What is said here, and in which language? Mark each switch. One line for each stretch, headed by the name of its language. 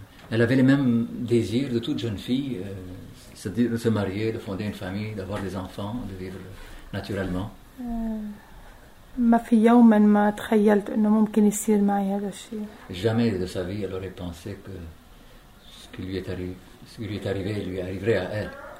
French: elle avait les mêmes désirs de toute jeune fille c'est-à-dire de se marier de fonder une famille d'avoir des enfants de vivre naturellement
Arabic: ما في يوم ما تخيلت انه ممكن يصير معي هذا الشيء
French: jamais de sa vie elle aurait pensé que ce qui lui est arrivé lui arriverait à elle